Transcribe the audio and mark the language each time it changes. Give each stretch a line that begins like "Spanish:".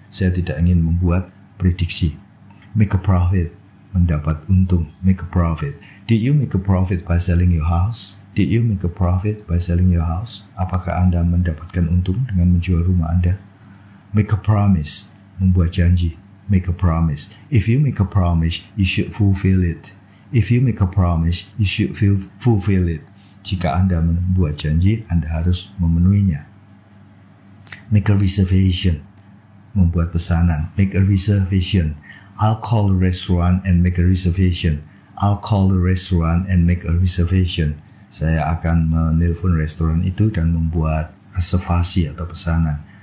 Indonesian: Saya tidak ingin membuat prediksi.
English: Make a profit,
Indonesian: mendapat untung,
English: make a profit. Did you make a profit by selling your house? Did you make a profit by selling your house?
Indonesian: Apakah Anda mendapatkan untung dengan menjual rumah Anda?
English: Make a promise.
Indonesian: Membuat janji.
English: Make a promise. If you make a promise, you should fulfill it. If you make a promise, you should fulfill it.
Indonesian: Jika Anda membuat janji, Anda harus memenuhinya.
English: Make a reservation.
Indonesian: Membuat pesanan.
English: Make a reservation. I'll call a restaurant and make a reservation. I'll call a restaurant and make a reservation.
Indonesian: Saya akan menelpon restoran itu dan membuat reservasi atau pesanan.